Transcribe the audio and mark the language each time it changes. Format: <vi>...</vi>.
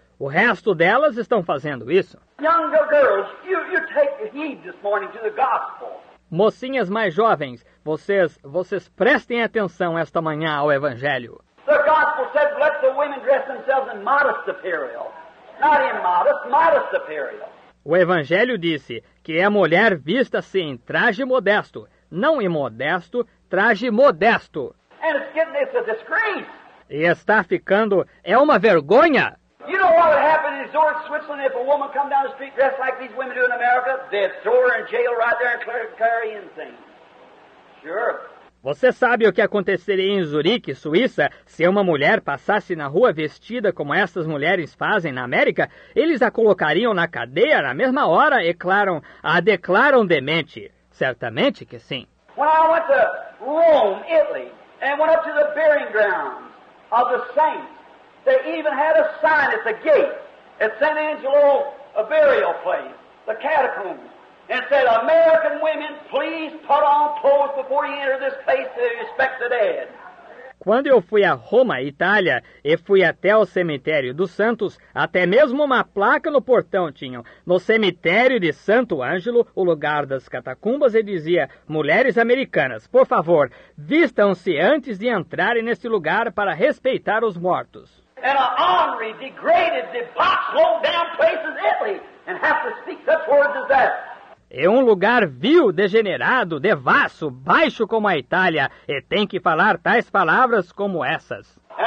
<pt>O resto delas estão fazendo isso.</pt> <en>Younger girls, you take heed this morning to the gospel.</en> <pt>Mocinhas mais jovens, vocês prestem atenção esta manhã ao Evangelho.</pt> <en>The gospel said, let the women dress themselves in modest apparel. Not immodest, modest apparel.</en> <pt>O Evangelho disse que a mulher vista-se em traje modesto. Não imodesto, traje modesto.</pt> <en>And it's getting, it's a disgrace.</en> <pt>E está ficando, é uma vergonha.</pt> <en>You know what would happen in Zurich, Switzerland, if a woman come down the street dressed like these women do in America? They'd throw her in jail right there and carry insane. Sure.</en> <pt>Você sabe o que aconteceria em Zurique, Suíça, se uma mulher passasse na rua vestida como essas mulheres fazem na América? Eles a colocariam na cadeia na mesma hora e, claro, a declaram demente. Certamente que sim. Quando eu fui para Roma, Itália, e fui para os</pt> <en>burying grounds of the saints, they even had a sign at the gate at San Angelo, a burial place, the catacombs. And said, American women, please put on clothes before you enter this place to respect the dead.</en> <pt>Quando eu fui a Roma, Itália, e fui até o cemitério dos Santos, até mesmo uma placa no portão tinham, no cemitério de Santo Ângelo, o lugar das catacumbas, e dizia, mulheres americanas, por favor, vistam-se antes de entrarem neste lugar para respeitar os mortos.</pt> <en>And an ornery, degraded, debauched, low-down place is Italy, and have to speak such words as that.</en> <pt>É um lugar vil, degenerado, devasso, baixo como a Itália, e tem que falar tais palavras como essas.</pt>